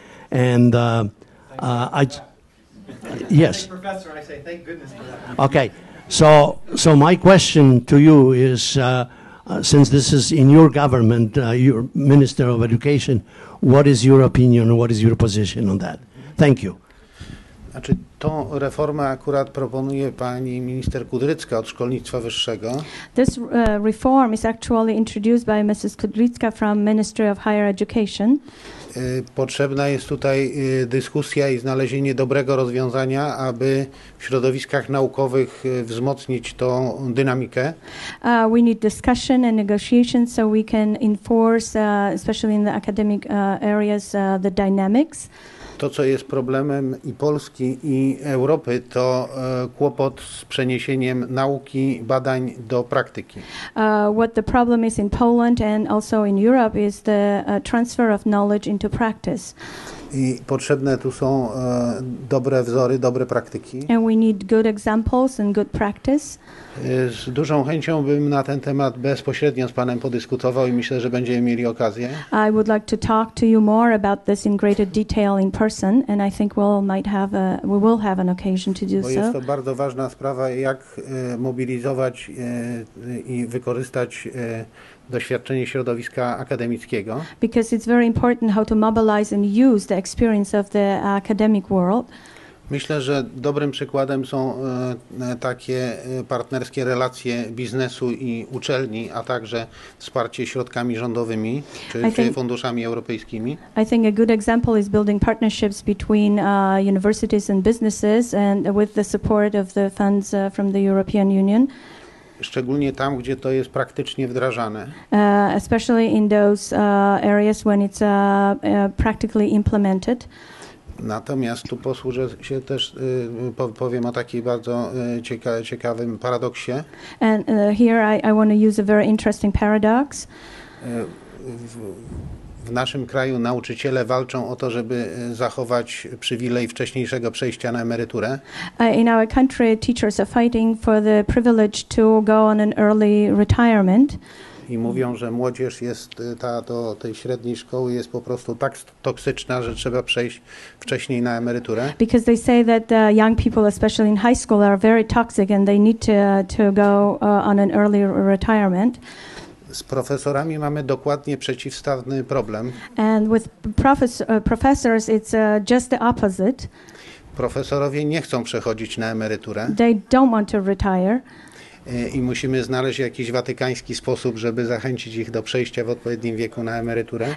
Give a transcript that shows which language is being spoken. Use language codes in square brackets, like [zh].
[en] And yes. Professor, I say thank goodness for that. Okay, so my question to you is, since this is in your government, your Minister of Education, what is your opinion, what is your position on that? Thank you. [pl] Znaczy, tą reformę akurat proponuje pani minister Kudrycka od szkolnictwa wyższego. [en] This reform is actually introduced by Mrs. Kudrycka from Ministry of Higher Education. [pl] Potrzebna jest tutaj dyskusja i znalezienie dobrego rozwiązania, aby w środowiskach naukowych wzmocnić tą dynamikę. [en] We need discussion and negotiations so we can enforce, especially in the academic areas, the dynamics. [pl] To, co jest problemem i Polski, i Europy, to kłopot z przeniesieniem nauki, badań do praktyki. [en] What the problem is in Poland and also in Europe is the transfer of knowledge into practice. [pl] I potrzebne tu są dobre wzory, dobre praktyki. [en] And we need good examples and good practice. [pl] Z dużą chęcią bym na ten temat bezpośrednio z panem podyskutował i myślę, że będziemy mieli okazję. [en] I would like to talk to you more about this in greater detail in person, and I think we will have an occasion to do [pl] so. Bo jest to bardzo ważna sprawa, jak mobilizować i wykorzystać doświadczenie środowiska akademickiego. [en] Because it's very important how to mobilize and use the experience of the academic world. [pl] Myślę, że dobrym przykładem są takie partnerskie relacje biznesu i uczelni, a także wsparcie środkami rządowymi czy funduszami europejskimi. [en] I think a good example is building partnerships between universities and businesses and with the support of the funds from the European Union. [pl] Szczególnie tam, gdzie to jest praktycznie wdrażane. [en] Especially in those areas when it's practically implemented. [pl] Natomiast tu posłużę się też, powiem o takim bardzo ciekawym paradoksie. [en] And here I want to use a very interesting paradox. [pl] W naszym kraju nauczyciele walczą o to, żeby zachować przywilej wcześniejszego przejścia na emeryturę. [en] In our country, teachers are fighting for the privilege to go on an early retirement. [pl] i mówią, że młodzież jest ta do tej średniej szkoły jest po prostu tak toksyczna, że trzeba przejść wcześniej na emeryturę. [en] Because they say that the young people, especially in high school, are very toxic and they need to go on an early retirement. [pl] Z profesorami mamy dokładnie przeciwstawny problem. [en] And with professors it's just the opposite. [pl] Profesorowie nie chcą przechodzić na emeryturę. [en] They don't want to retire. [pl] I musimy znaleźć jakiś watykański sposób, żeby zachęcić ich do przejścia w odpowiednim wieku na emeryturę.